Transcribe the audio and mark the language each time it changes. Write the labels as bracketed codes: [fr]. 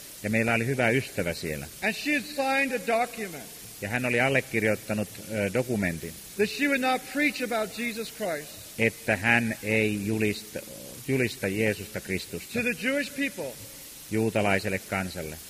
[fi] Ja meillä oli hyvä ystävä siellä. [en] And she had signed a document. [fi] Ja hän oli allekirjoittanut dokumentin. [en] That she would not preach about Jesus Christ. [fi] Että hän ei julista Jeesusta Kristusta. [en] To the Jewish people. [fi] Juutalaiselle kansalle.